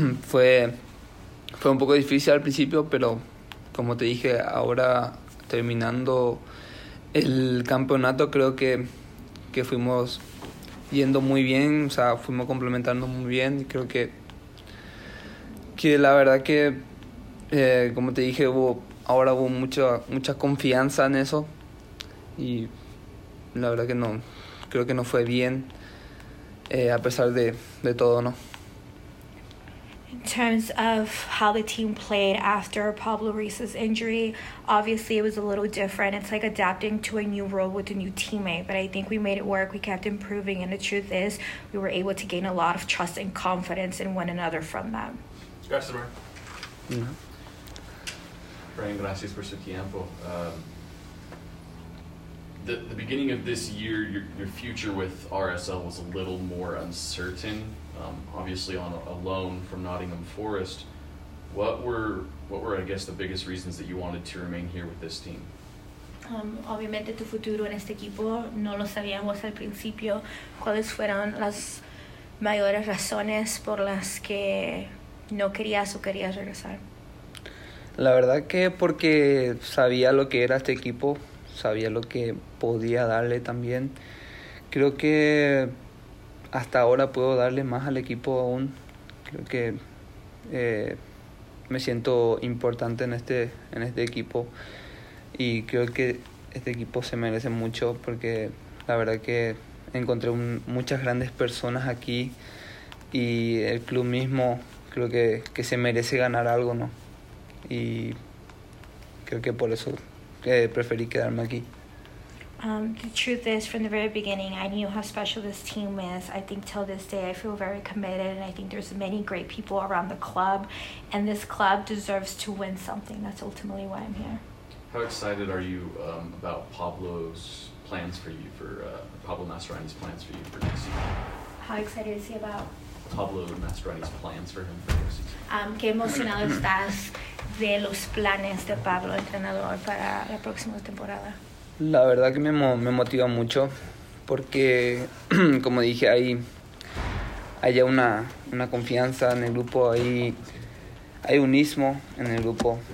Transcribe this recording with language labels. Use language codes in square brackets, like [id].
[es] fue un poco difícil al principio, pero como te dije, ahora terminando el campeonato creo que fuimos yendo muy bien, o sea, fuimos complementando muy bien y creo que la verdad que, como te dije, hubo mucha confianza en eso y la verdad que no, creo que no fue bien a pesar de todo, ¿no? [en] In terms of how the team played after Pablo Ruiz's injury, obviously it was a little different. It's like adapting to a new role with a new teammate, but I think we made it work. We kept improving, and the truth is we were able to gain a lot of trust and confidence in one another from them. [es] Gracias, Brian. Mm-hmm. Brian, gracias por su tiempo. [en] The beginning of this year, your future with RSL was a little more uncertain. Obviously on a loan from Nottingham Forest, what were I guess the biggest reasons that you wanted to remain here with this team? [es] Obviamente tu futuro en este equipo no lo sabíamos al principio. ¿Cuáles fueron las mayores razones por las que no querías o querías regresar? La verdad que porque sabía lo que era este equipo, sabía lo que podía darle también. Creo que hasta ahora puedo darle más al equipo aún. Creo que me siento importante en este equipo. Y creo que este equipo se merece mucho porque la verdad que encontré muchas grandes personas aquí y el club mismo creo que se merece ganar algo, ¿no? Y creo que por eso preferí quedarme aquí. [en] The truth is, from the very beginning, I knew how special this team is. I think till this day, I feel very committed, and I think there's many great people around the club, and this club deserves to win something. That's ultimately why I'm here. How excited are you about Pablo's plans for you, for Pablo Mascherani's plans for you for next season? How excited is he about Pablo Mascherani's plans for him for next season? [es] Qué emocionado estás de los planes de Pablo, entrenador, para la próxima temporada. La verdad que me motiva mucho porque, como dije, hay ya una confianza en el grupo, hay unismo en el grupo.